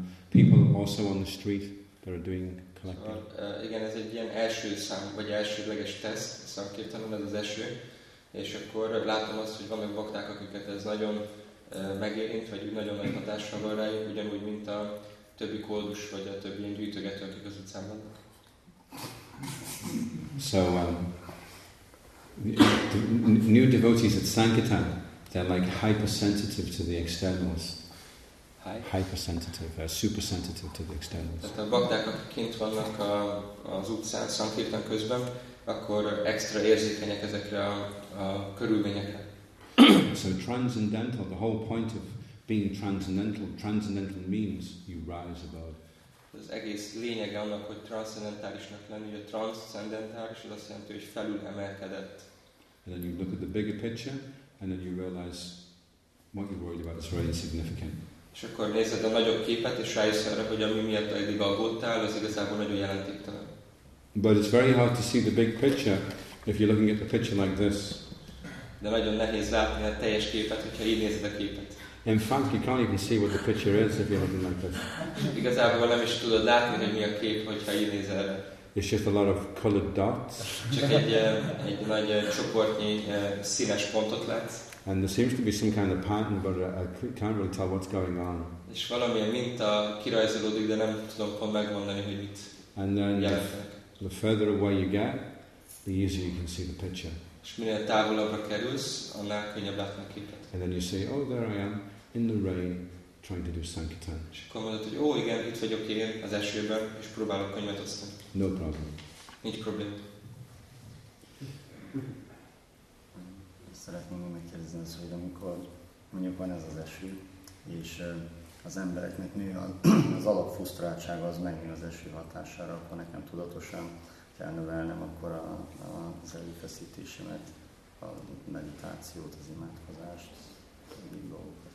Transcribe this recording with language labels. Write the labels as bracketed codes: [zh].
[en] People also on the street that are doing collecting. [hu] Igen, ez egy ilyen első szám vagy elsődleges teszt Sankirtanon, ez az eső, és akkor látom azt, hogy vannak bakták, akiket ez nagyon megérint, vagy úgy nagyon nagy hatással van rájuk, ugyanúgy, mint a többi koldus, vagy a többi ilyen gyűjtögető, akik az utcán vannak. [en] So, new devotees at Sankirtan, they're like hypersensitive to the externals. Hypersensitive, supersensitive to the externals. [hu] Tehát a bakták, akik kint vannak az utcán, Sankirtan közben, akkor extra érzékenyek ezekre a körülményekre. [en] So transcendental, the whole point of being transcendental, transcendental means you rise above. [hu] Az egész lényege annak, hogy transzcendentálisnak lenni, hogy a transzcendentális, az azt jelenti, hogy felül emelkedett. [en] And then you look at the bigger picture, and then you realize what you're worried about is very insignificant. [hu] És akkor nézed a nagyobb képet, és rájössz arra, hogy ami miatt eddig aggódtál, az igazából nagyon jelentéktelen. [en] But it's very hard to see the big picture if you're looking at the picture like this. [hu] De nagyon nehéz látni a teljes képet, hogyha így nézed a képet. [en] In fact, you can't even see what the picture is if you're looking like this. [hu] Igazából nem is tudod látni, hogy mi a kép, hogyha így nézel. [en] It's just a lot of colored dots. [hu] Csak egy nagy csoportnyi színes pontot látsz. [en] And there seems to be some kind of pattern, but I can't really tell what's going on. [hu] És valami minta kirajzolódik, de nem tudom pont megmondani, hogy mit. [en] And then the further away you get, the easier you can see the picture. [hu] És minél távolabbra kerülsz, annál könnyebb látni a képet. [en] And then you say, oh, there I am, in the rain, trying to do Sankirtan. [hu] És akkor mondod, hogy ó, igen, itt vagyok én, az esőben, és próbálok könyvet osztani. [en] No problem. [hu] Nincs problém. Szeretném megkérdezni azt, hogy amikor mondjuk van ez az eső, és az embereknek nő az alapfusztráltsága, az megnő az eső hatására, akkor nekem tudatosan kell növelnem akkor az előfeszítésemet, a meditációt, az imádkozást, az egyik dolgokat.